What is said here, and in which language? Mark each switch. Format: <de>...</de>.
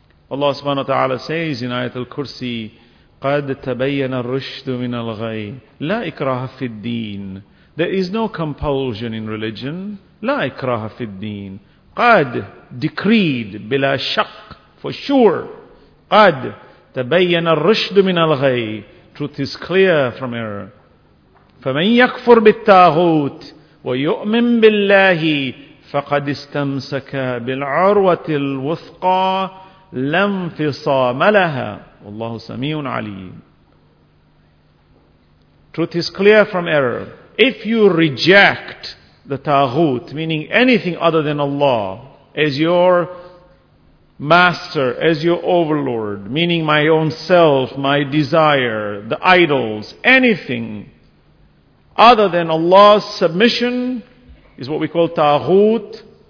<en>Allah subhanahu wa ta'ala says in Ayatul Kursi,</en> <ar>قَدْ تَبَيَّنَ الرُّشْدُ مِنَ الْغَيْءِ لَا إِكْرَهَ فِي الدِّينِ</ar> <en>There is no compulsion in religion.</en> <ar>لا إكراه في الدين.</ar> <en>قد decreed</en> <ar>بلا شك</ar> <en>for sure.</en> <ar>قد تبين الرشد من الغي.</ar> <en>Truth is clear from error.</en> <ar>فمن يكفر بالتاغوت ويؤمن بالله فقد استمسك بالعروة الوثقى لا انفصام لها. والله سميع عليم.</ar> <en>Truth is clear from error. If you reject the taghut, meaning anything other than Allah, as your master, as your overlord, meaning my own self, my desire, the idols, anything other than Allah's submission is what we call taghut.</en>